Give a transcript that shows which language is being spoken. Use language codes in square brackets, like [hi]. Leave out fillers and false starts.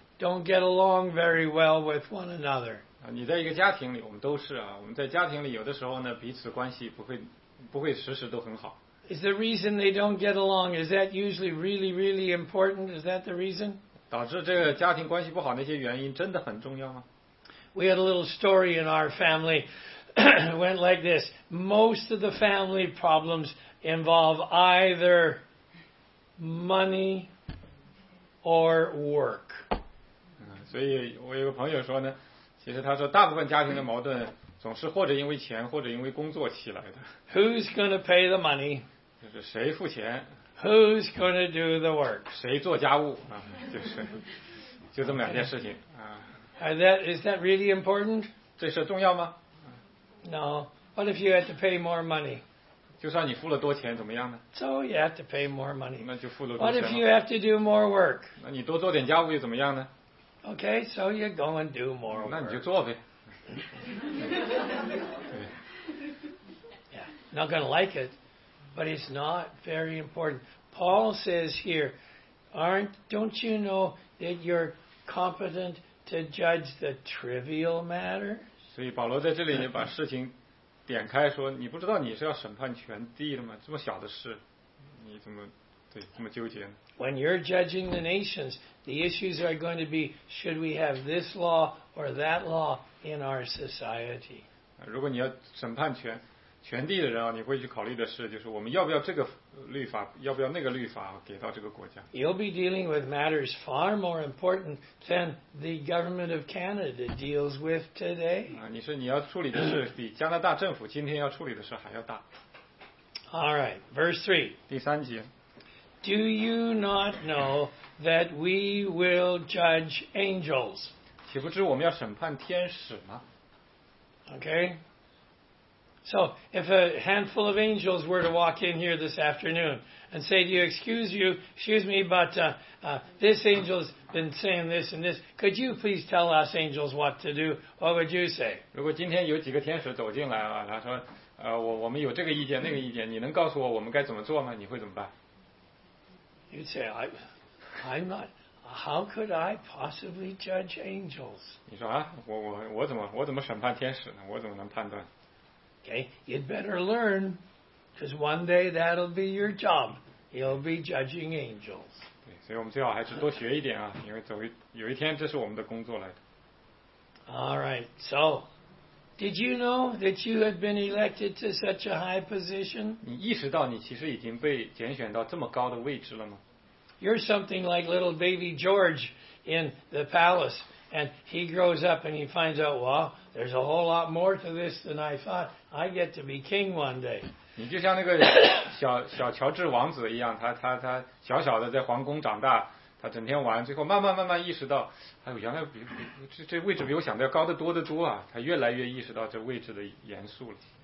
[en] Don't get along very well with one another. [zh] 你在一个家庭里，我们都是啊。我们在家庭里，有的时候呢，彼此关系不会时时都很好。 [en] Is the reason they don't get along? Is that usually really, really important? Is that the reason? [zh] 导致这个家庭关系不好那些原因真的很重要吗？ [en] We had a little story in our family. It went like this. Most of the family problems involve either money or work. [zh] 所以我有个朋友说呢，其实他说大部分家庭的矛盾总是或者因为钱或者因为工作起来的。 [en] Who's going to pay the money? [zh] 就是谁付钱。 [en] Who's going to do the work? [zh] 谁做家务啊？就这么两件事情啊。 [en] Is that really important? [zh] 这事重要吗 [en] ？No. What if you had to pay more money? [zh] 就算你付了多钱怎么样呢 [en] ？So you have to pay more money. [zh] 那就付了多钱。 [en] What if you have to do more work? [zh] 那你多做点家务又怎么样呢？ [en] Okay, so you go and do more work. [zh] 那你就做呗。 [en] Yeah, not going to like it, but it's not very important. Paul says here, don't you know that you're competent to judge the trivial matter? [zh] 所以保罗在这里把事情点开说，你不知道你是要审判全地的吗？这么小的事，你怎么？ [en] When you're judging the nations, the issues are going to be: should we have this law or that law in our society? [zh] 如果你要审判全地的人啊，你会去考虑的是，就是我们要不要这个律法，要不要那个律法给到这个国家。 [en] You'll be dealing with matters far more important than the government of Canada deals with today. [zh] 你说你要处理的事比加拿大政府今天要处理的事还要大。 [en] All right, verse 3. [zh] 第三节。 [en] Do you not know that we will judge angels? [zh] 岂不知我们要审判天使吗？ [en] Okay. So, if a handful of angels were to walk in here this afternoon and say to you, excuse me, but this angel's been saying this and this, could you please tell us angels what to do? What would you say? [zh] 如果今天有几个天使走进来啊，他说，我们有这个意见，那个意见，你能告诉我我们该怎么做吗？你会怎么办？ [en] You'd say, I'm not, how could I possibly judge angels? [zh] 你说啊，我怎么审判天使呢？我怎么能判断？ [en] Okay, you'd better learn, because one day that'll be your job. You'll be judging angels. [zh] 对，所以我们最好还是多学一点啊，因为有一天这是我们的工作来的。 [en] All right, so, did you know that you had been elected to such a high position? [zh] 你意识到你其实已经被拣选到这么高的位置了吗？ [en] You're something like little baby George in the palace, and he grows up and he finds out, well, There's a whole lot more to this than I thought. I get to be king one day. [zh] 你就像那个小小乔治王子一样，他小小的在皇宫长大，他整天玩，最后慢慢意识到，哎呦，原来这位置比我想的要高得多得多啊！他越来越意识到这位置的严肃了。